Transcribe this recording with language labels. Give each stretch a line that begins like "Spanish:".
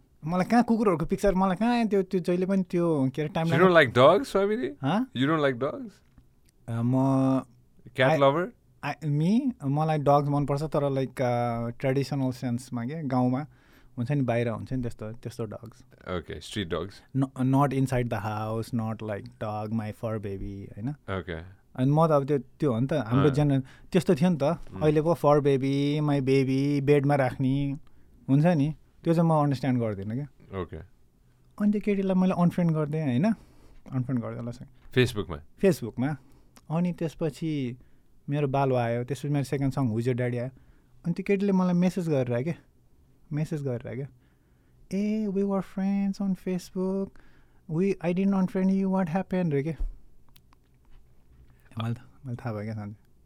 Nepali: मलाई कहाँ कुकुरहरूको पिक्चर मलाई कहाँ त्यो त्यो जहिले पनि त्यो के अरे टाइम लाग्छ
English: dogs Swami you don't like dogs
Nepali: म
English: cat lover
Nepali: मी मलाई डग्स मनपर्छ तर
English: like traditional
Nepali: सेन्समा क्या गाउँमा हुन्छ नि बाहिर हुन्छ नि त्यस्तो त्यस्तो dogs
English: okay street dogs not inside the house not like dog my fur baby
Nepali: होइन
English: okay
Nepali: अनि म त अब त्यो त्यो हो नि त हाम्रो जेनरल त्यस्तो थियो नि त अहिले पो
English: fur baby my baby
Nepali: बेडमा राख्ने हुन्छ नि त्यो चाहिँ म अन्डरस्ट्यान्ड गर्दिनँ क्या
English: okay
Nepali: अनि त्यो केटीलाई मैले अनफ्रेन्ड गर्दै होइन अनफ्रेन्ड गर्दै होला फेसबुकमा फेसबुकमा अनि त्यसपछि मेरो बालु आयो त्यसपछि मेरो
English: second song who's your daddy
Nepali: आयो अनि त्यो केटीले मलाई मेसेज गरेर क्या मेसेज गरेर क्या
English: ए we were friends on Facebook we I didn't unfriend you what happen
Nepali: रे के मैले मैले थाहा भयो क्या सान्जे